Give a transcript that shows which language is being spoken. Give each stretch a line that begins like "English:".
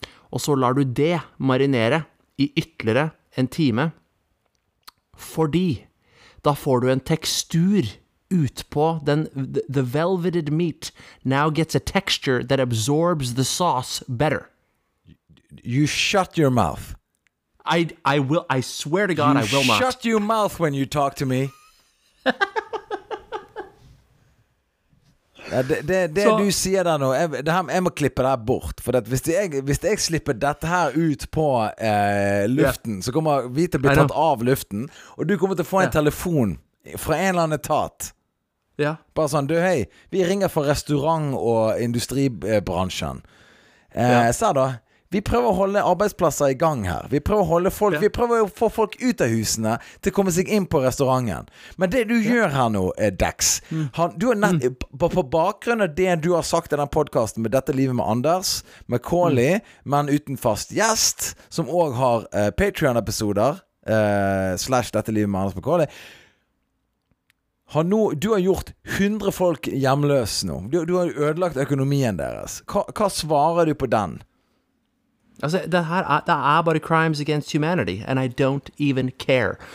Norwegian: Og så lar du det marinere I ytterligere en time, fordi da får du en tekstur ut på den
English: the velveted meat now gets a texture that absorbs the sauce better. You shut your mouth. I will I swear to God you I will not. Shut your mouth when you talk to me.
Norwegian: Ja, det så, du sier der nå, jeg må klippe det her bort. For at hvis jeg slipper dette her ut på luften, yeah. Så kommer vi til å bli tatt av luften. Og du kommer til å få en telefon fra en eller annen etat. Ja. Bare sånn, du hei, vi ringer fra restaurant- og industribransjen. Så da, vi prøver å holde arbeidsplasser i gang her. Vi prøver å holde folk, vi prøver å få folk ut av husene til å komme seg inn på restauranten. Men det du gjør her nå, Dex, du har på bakgrunn av det du har sagt i den podcasten med dette livet med Anders, med Kåli, men uten fast gjest, som også har Patreon-episoder, slash dette livet med Anders med Kåli, du har gjort 100 folk hjemløse nå. Du har ødelagt økonomien deres. Hva svarer du på den? Altså, det er bare
English: crimes against humanity, and I don't even care.